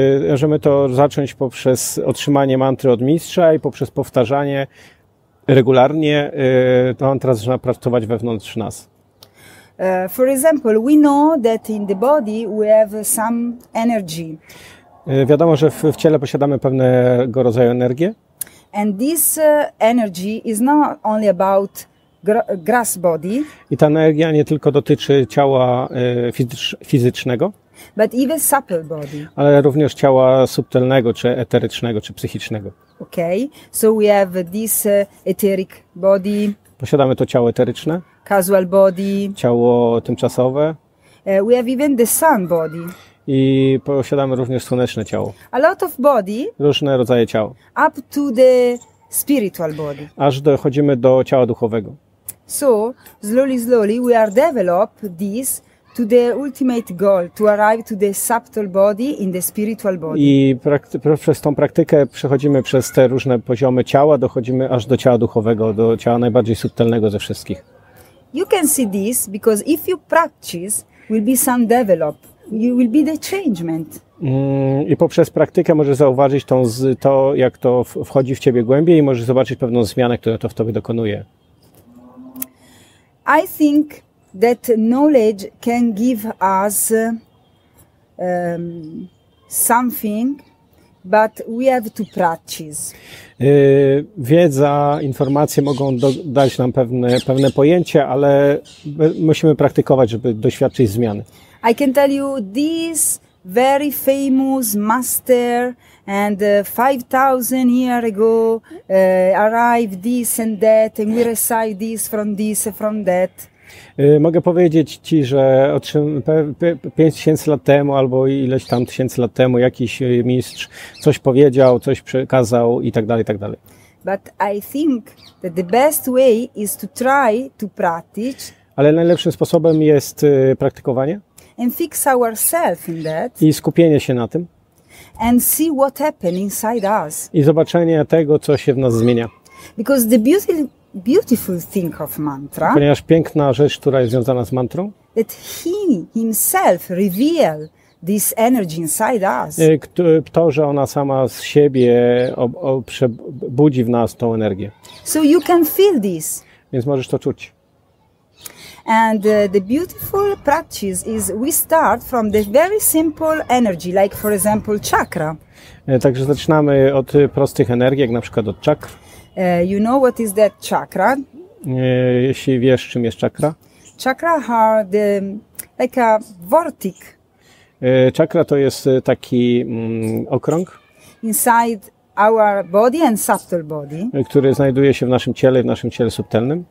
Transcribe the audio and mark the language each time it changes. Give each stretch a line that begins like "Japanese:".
Polish: Możemy to zacząć poprzez otrzymanie mantry od mistrza i poprzez powtarzanie regularnie, to mantra zaczyna pracować wewnątrz nas.
English: For example, we know that in the body we have some energy.
Polish: Wiadomo, że w ciele posiadamy pewnego rodzaju energię.
English: And this energy is not only about grass body.
Polish: I ta energia nie tylko dotyczy ciała fizycznego,
English: but even subtle body.
Polish: Ale również ciała subtelnego, czy eterycznego, czy psychicznego.
English: Okay, so we have this etheric body.
Polish: Posiadamy to ciało eteryczne.
English: Casual body.
Polish: Ciało tymczasowe.
English: We have even the sun body.
Polish: I posiadamy również słoneczne ciało.
English: A lot of body.
Polish: Różne rodzaje ciał.
English: Up to the spiritual body.
Polish: Aż dochodzimy do ciała duchowego.
English: So, slowly we are develop this to the ultimate goal, to arrive to the subtle body in the spiritual body.
Polish: I przez tą praktykę przechodzimy przez te różne poziomy ciała, dochodzimy aż do ciała duchowego, do ciała najbardziej subtelnego ze wszystkich.
English: You can see this because if you practice, will be some develop. You will be the changement.
Polish: I poprzez praktykę możesz zauważyć to, jak to wchodzi w ciebie głębiej i możesz zobaczyć pewną zmianę, która to w tobie dokonuje.
English: I think that knowledge can give us something, but we have to practice.
Polish: Wiedza, informacje mogą dać nam pewne pojęcie, ale musimy praktykować, żeby doświadczyć zmiany.
English: I can tell you this very famous master and 5,000 years ago arrived this and that and we recite this from that.
Polish: Mogę powiedzieć ci, że 5000 lat temu albo ileś tam tysięcy lat temu jakiś mistrz coś powiedział, coś przekazał i tak dalej, i tak dalej.
English: But I think that the best way is to try to practice.
Polish: Ale najlepszym sposobem jest praktykowanie.
English: And fix ourselves in that.
Polish: I skupienie się na tym.
English: And see what happens inside us.
Polish: I zobaczenie tego, co się w nas zmienia.
English: Because the beautiful thing of mantra.
Polish: Ponieważ piękna rzecz, która jest związana z mantrą.
English: That he himself reveal this energy inside us.
Polish: To, że ona sama z siebie przebudzi w nas tą energię.
English: So you can feel this.
Polish: Więc możesz to czuć.
English: And the beautiful practice is we start from the very simple energy, like for example chakra.
Polish: Także zaczynamy od prostych energii, jak na przykład od czakr.
English: You know what is that chakra?
Polish: Jeśli wiesz, czym jest czakra?
English: Chakra are the like a vortex.
Polish: Chakra to jest taki okrąg.
English: Inside our body and subtle body.
Polish: Który znajduje się w naszym ciele, w naszym ciele subtelnym.